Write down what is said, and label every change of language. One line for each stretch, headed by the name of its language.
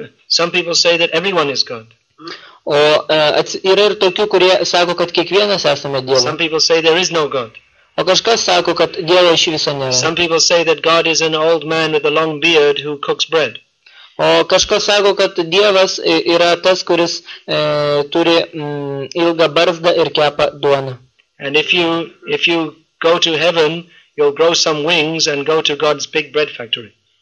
English: Some people say that everyone is God.
Lithuanian: O yra ir tokių, kurie sako, kad kiekvienas esame Dievu.
English: Some people say there is no God.
Lithuanian: O kažkas sako, kad Dievo iš viso nėra.
English: Some people say that God is an old man with a long beard who cooks bread.
Lithuanian: O kažkas sako, kad Dievas yra tas, kuris turi ilgą barzdą ir kepa duoną.
English: And if you go to heaven, you'll grow some wings and go to God's big bread factory.